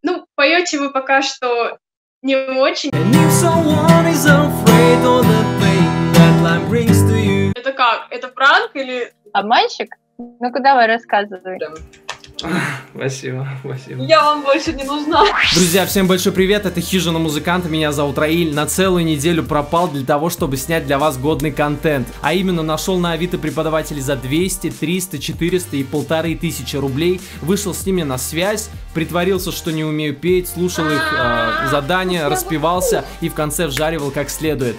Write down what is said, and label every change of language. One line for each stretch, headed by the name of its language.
Russian: Ну, поете вы пока что не очень.
English: And if someone is afraid of the pain that life brings to you.
Russian: Это как? Это пранк или... Обманщик? Ну-ка давай, рассказывай. Спасибо, спасибо. Я вам больше не нужна. Друзья, всем большой привет, это Хижина Музыканта, меня зовут Раиль. На целую неделю пропал для того, чтобы снять для вас годный контент. А именно, нашел на Авито преподавателей за 200, 300, 400 и 1500 рублей, вышел с ними на связь, притворился, что не умею петь, слушал их задания, распевался и в конце вжаривал как следует.